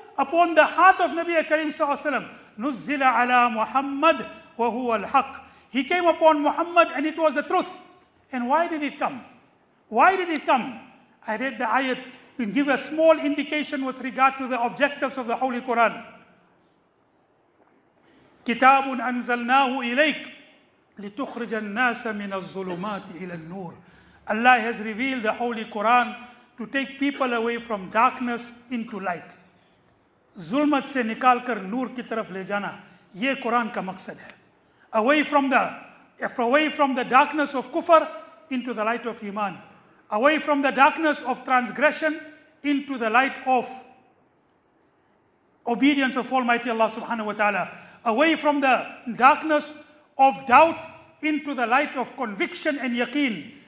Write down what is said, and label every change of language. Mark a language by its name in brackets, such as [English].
[English] Upon the heart of Nabi Karim sallallahu alayhi wa sallam. [Arabic] Nuzzila ala Muhammad wa huwa al-haq. [English] He came upon Muhammad and it was the truth. And why did it come? Why did it come? I read the ayat. We can give a small indication with regard to the objectives of the Holy Quran. [Arabic] كتاب أنزلناه إليك لتخرج الناس من الظلمات إلى النور. [English] Allah has revealed the Holy Quran to take people away from darkness into light. [Urdu] ظلمت سے نکال کر نور کی طرف لے جانا, یہ قرآن کا مقصد ہے. [English] Away from the darkness of kufr into the light of iman. Away from the darkness of transgression into the light of obedience of Almighty Allah subhanahu wa ta'ala. Away from the darkness of doubt into the light of conviction and yaqeen.